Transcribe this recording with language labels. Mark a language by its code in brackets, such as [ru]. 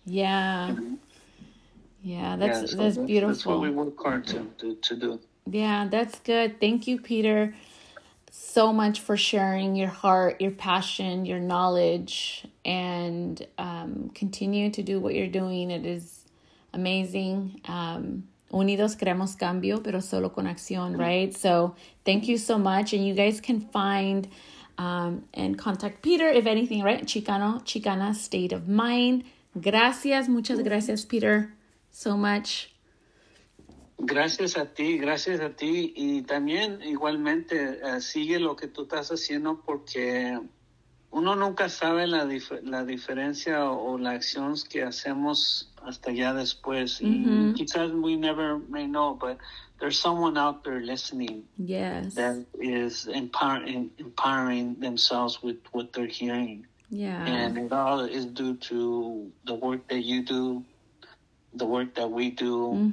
[en] Yeah. Yeah, that's beautiful. That's what we work hard to do. Yeah, that's good. Thank you, Peter, so much for sharing your heart, your passion, your knowledge, and continue to do what you're doing. It is amazing. [es] Unidos queremos cambio, pero solo con acción, [en] right? So thank you so much. And you guys can find and contact Peter, if anything, right? Chicano, Chicana State of Mind. [es] Gracias, muchas gracias, [en] Peter, so much. [es] Gracias a ti, gracias a ti. Y también, igualmente, sigue lo que tú estás haciendo, porque uno nunca sabe la diferencia o las acciones que hacemos hasta ya después. Mm-hmm. Y quizás [en] we never may know, but there's someone out there listening. Yes. That is empowering themselves with what they're hearing. Yeah. And it all is due to the work that you do, the work that we do.